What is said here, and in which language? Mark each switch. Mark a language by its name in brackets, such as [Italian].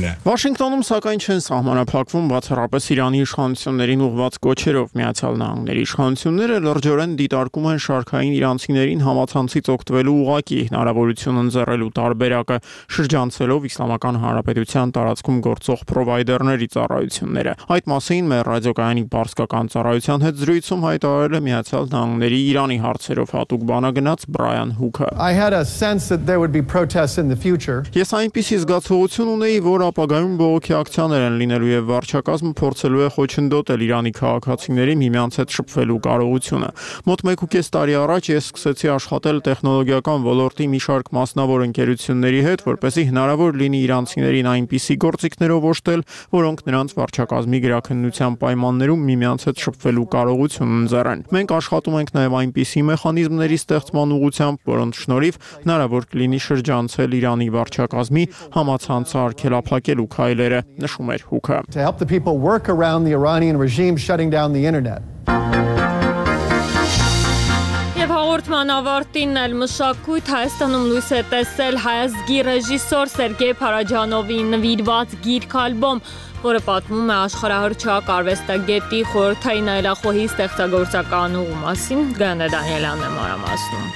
[Armenian] Վաշինգտոնում սակայն չեն սահմանափակվում բացառապես Իրանի իշխանություններին ուղված կոչերով։ Միացյալ Նահանգների իշխանությունները լրջորեն դիտարկում են շարքային իրանցիներին համացանցից օգտվելու ուղղակի հնարավորություն ընձեռելու տարբերակը, շրջանցելով Իսլամական Հանրապետության տարածքում գործող պրովայդերների ծառայությունները։ Այդ մասին մեր ռադիոկայանի պարսկական ծառայության հետ զրույցում հայտարարել է Միացյալ Նահանգների Իրանի հարցերով հատուկ բանագնաց Բրայան Հուքը։ [English] I had a sense that there would be protests in the future. [Armenian] Ես այնպիսի զգացողություն ունեի, որ ապագայում բողոքի ակցիաներ են լինելու եւ վարչակազմը փորձելու է խոչընդոտել Իրանի քաղաքացիների միմյանց հետ շփվելու կարողությունը։ Մոտ 1.5 տարի առաջ ես սկսեցի աշխատել տեխնոլոգիական ոլորտի մի շարք մասնավոր ընկերությունների հետ, որպեսզի հնարավոր լինի իրանցիներին այնպիսի գործիքներով օժտել, որոնք նրանց վարչակազմի գրաքննության պայմաններում միմյանց հետ շփվելու կարողություն ունենան։ Մենք աշխատում ենք նաև այնպիսի մեխանիզմների ստեղծման ուղղությամբ, որոնց շնորհիվ հնարավոր կլինի շրջանցել Իրանի վարչակազմի համացանցը արգելափակելու քայլերը, նշում էր Հուքը։ [English] To help the people work around the Iranian regime shutting down the internet. [Armenian] Հաղորդման ավարտին այլ մշակույթ Հայաստանում լույս է տեսել հայազգի ռեժիսոր Սերգեյ Փարաջանովի նվիրված գիրք ալբոմ, որը պատմում է աշխարհահռչակ արվեստագետի խորհրդային այլախոհի ստեղծագործական ուղու մասին։ Գրանե Դանիելյանն է մասնում։